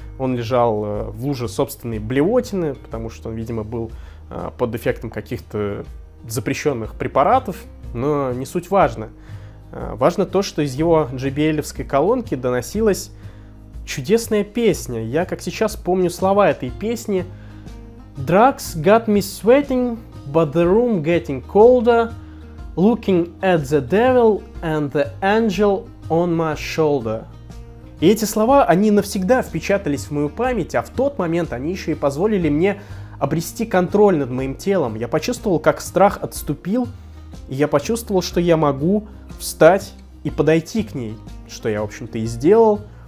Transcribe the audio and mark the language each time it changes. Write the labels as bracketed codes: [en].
[ru] Он лежал в луже собственной блевотины, потому что он, видимо, был под эффектом каких-то запрещенных препаратов. Но не суть важно. Важно то, что из его JBL-овской колонки доносилась чудесная песня. Я, как сейчас, помню слова этой песни. [en] «Drugs got me sweating, but the room getting colder, looking at the devil and the angel on my shoulder». [ru] И эти слова, они навсегда впечатались в мою память, а в тот момент они еще и позволили мне обрести контроль над моим телом. Я почувствовал, как страх отступил, и я почувствовал, что я могу встать и подойти к ней, что я, в общем-то, и сделал.